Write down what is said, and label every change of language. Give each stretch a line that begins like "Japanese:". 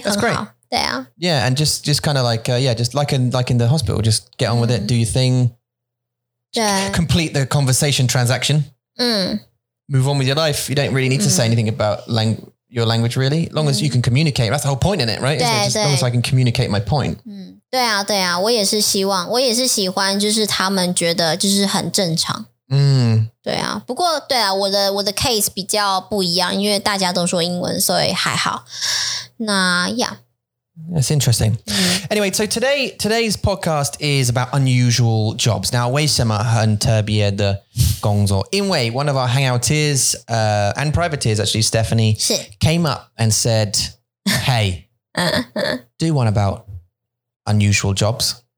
English: that's great. Yeah, and just kind of like, yeah, just like in the hospital, just get on with it, do your thing. Complete the conversation transaction. Move on with your life. You don't really need to say anything about your language, really. As long as you can communicate. That's the whole point in it, right? As long as I can communicate my point.
Chinese: 对啊，我也是喜欢，就是他们觉得就是很正常。对啊，不过对啊，我的 case 比较不一样，因为大家都说英文，所以还好。那
English: yeah, that's interesting. Anyway, so today's podcast is about unusual jobs. Now,
Chinese: 为什么很特别的工作？因为
English: one of our hangouters and privateers, actually Stephanie, came up and said, "Hey, do one about unusual jobs."